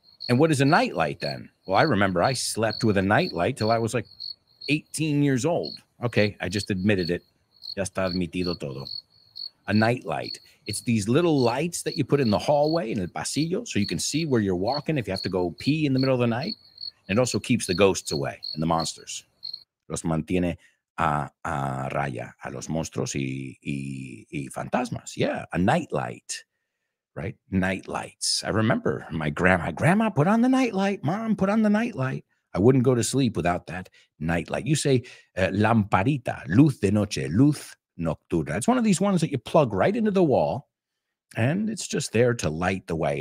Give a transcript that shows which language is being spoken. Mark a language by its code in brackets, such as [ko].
[en] And what is a night light then? Well, I remember I slept with a night light till I was like 18 years old. Okay, I just admitted it. [es] Ya está admitido todo. [en] A night light. It's these little lights that you put in the hallway, in el pasillo, so you can see where you're walking if you have to go pee in the middle of the night. And it also keeps the ghosts away and the monsters. [es] Los mantiene a raya, a los monstruos y fantasmas. [en] Yeah, a night light. Right? Night lights. I remember my grandma, put on the night light. Mom, put on the night light. I wouldn't go to sleep without that night light. You say lamparita, luz de noche, luz nocturna. It's one of these ones that you plug right into the wall and it's just there to light the way.